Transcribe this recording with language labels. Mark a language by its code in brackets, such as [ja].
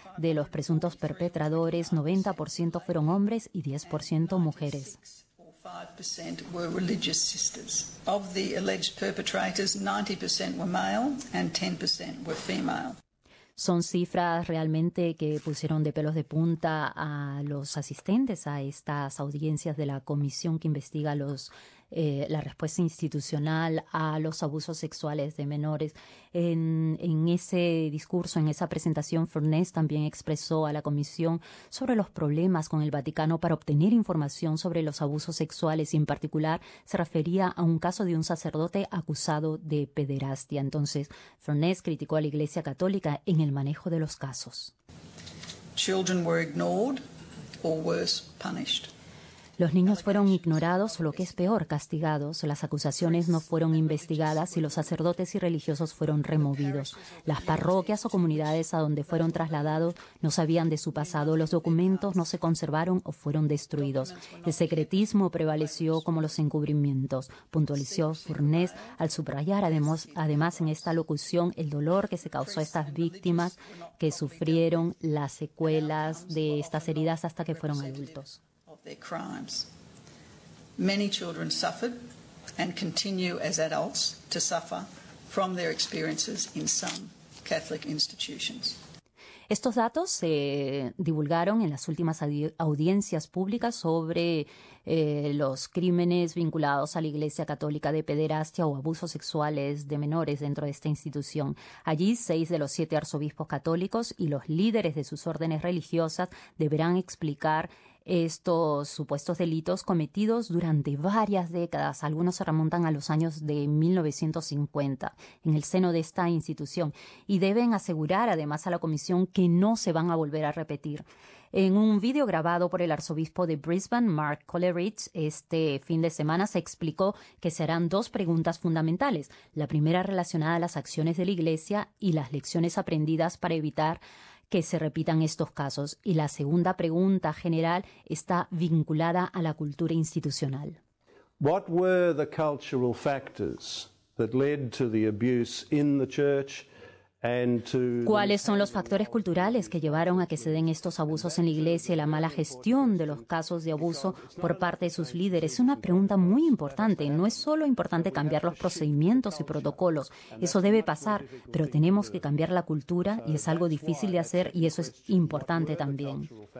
[es] De los presuntos perpetradores, 90% fueron hombres y 10% mujeres. [en] 5% were religious sisters. Of the alleged perpetrators, 90% were male and 10% were female. [es] Son cifras realmente que pusieron de pelos de punta a los asistentes a estas audiencias de la comisión que investiga la respuesta institucional a los abusos sexuales de menores. En ese discurso, en esa presentación, Furness también expresó a la comisión sobre los problemas con el Vaticano para obtener información sobre los abusos sexuales y en particular se refería a un caso de un sacerdote acusado de pederastia. Entonces, Furness criticó a la Iglesia Católica en el manejo de los casos. [en] Children were ignored or worse, punished. [es] Los niños fueron ignorados o, lo que es peor, castigados. Las acusaciones no fueron investigadas y los sacerdotes y religiosos fueron removidos. Las parroquias o comunidades a donde fueron trasladados no sabían de su pasado. Los documentos no se conservaron o fueron destruidos. El secretismo prevaleció como los encubrimientos, puntualizó Furness al subrayar además en esta locución el dolor que se causó a estas víctimas que sufrieron las secuelas de estas heridas hasta que fueron adultos. [en] Their crimes. Many children suffered and continue as adults to suffer from their experiences in some Catholic institutions. [es] Estos datos se divulgaron en las últimas audiencias públicas sobre los crímenes vinculados a la Iglesia Católica de pederastia o abusos sexuales de menores dentro de esta institución. Allí, 6 de los 7 arzobispos católicos y los líderes de sus órdenes religiosas deberán explicar estos supuestos delitos cometidos durante varias décadas. Algunos se remontan a los años de 1950 en el seno de esta institución y deben asegurar además a la comisión que no se van a volver a repetir. En un video grabado por el arzobispo de Brisbane, Mark Coleridge, este fin de semana se explicó que se harán dos preguntas fundamentales. La primera relacionada a las acciones de la Iglesia y las lecciones aprendidas para evitar que se repitan estos casos. Y la segunda pregunta general está vinculada a la cultura institucional. [en] What were the cultural factors that led to the abuse in the church? [es] ¿Cuáles son los factores culturales que llevaron a que se den estos abusos en la Iglesia y la mala gestión de los casos de abuso por parte de sus líderes? Es una pregunta muy importante. No es solo importante cambiar los procedimientos y protocolos. Eso debe pasar, pero tenemos que cambiar la cultura y es algo difícil de hacer y eso es importante también.